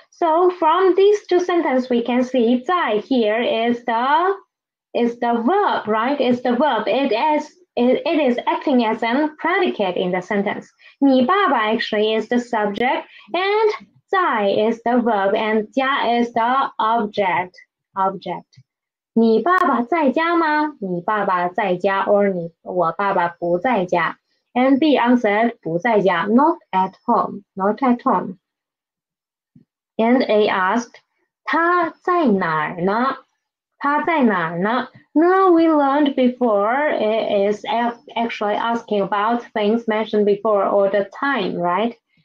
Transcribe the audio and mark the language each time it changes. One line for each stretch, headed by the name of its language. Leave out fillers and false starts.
English: So from these two sentences, we can see 在 here is the verb, right? It's the verb. It is acting as a predicate in the sentence. 你爸爸 actually is the subject, and 在 is the verb, and 家 is the object. Object.
Chinese: 你爸爸在家吗? 你爸爸在家, or 我爸爸不在家.
English: And B answered,
Chinese: 不在家,
English: not at home, not at home. And A asked,
Chinese: 他在哪儿呢? 他在哪儿呢?
English: Now we learned before, it is actually asking about things mentioned before or the time, right?